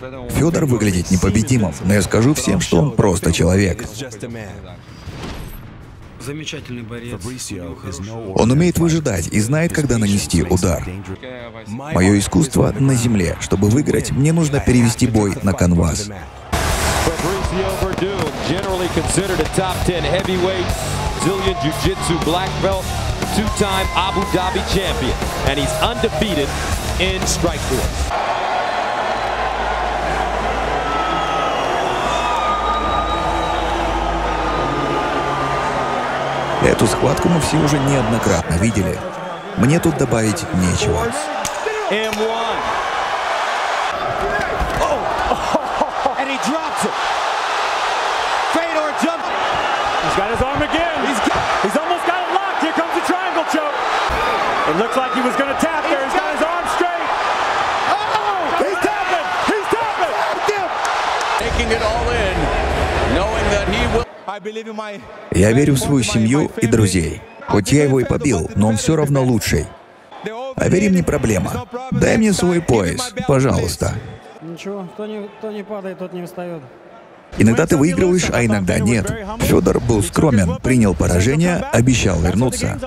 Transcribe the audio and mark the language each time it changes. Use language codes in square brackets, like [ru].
[ru] Федор выглядит непобедимым, но я скажу всем, что он просто человек. Замечательный борец. Он умеет выжидать и знает, когда нанести удар. Мое искусство на земле. Чтобы выиграть, мне нужно перевести бой на канвас. [en] Two-time Abu Dhabi champion, and he's undefeated in Strikeforce. [ru] Эту схватку мы все уже неоднократно видели. Мне тут добавить нечего. M1. [en] Oh! And he drops it. Fedor jumps. He's got his arm again. He's almost got it locked. Here comes the triangle choke. It looks like he was going to tap there. He's got his arm straight. Oh! He's tapping! He's tapping! Taking it all in, knowing that he will... [ru] Я верю в свою семью и друзей. Хоть я его и побил, но он все равно лучший. Повери мне, проблема. Дай мне свой пояс, пожалуйста. Ничего, кто не падает, тот не встает. Иногда ты выигрываешь, а иногда нет. Федор был скромен, принял поражение, обещал вернуться.